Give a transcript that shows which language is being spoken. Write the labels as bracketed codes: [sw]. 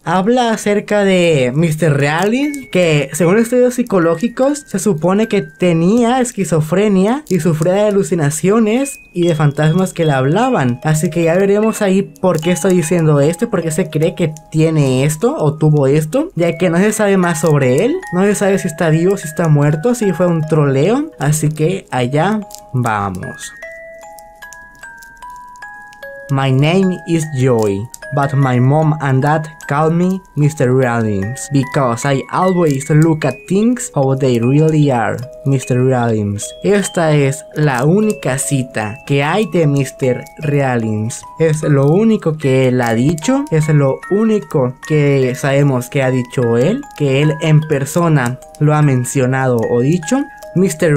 [es] Habla acerca de Mr. Realin, que según estudios psicológicos, se supone que tenía esquizofrenia y sufría de alucinaciones y de fantasmas que le hablaban. Así que ya veremos ahí por qué está diciendo esto y por qué se cree que tiene esto o tuvo esto, ya que no se sabe más sobre él, no se sabe si está vivo, si está muerto, si fue un troleo. Así que allá vamos. [en] My name is Joy, but my mom and dad call me Mr. Realim because I always look at things how they really are. Mr. Realim. [es] Esta es la única cita que hay de Mr. Realim. Es lo único que él ha dicho, es lo único que sabemos que ha dicho él, que él en persona lo ha mencionado o dicho. Mr.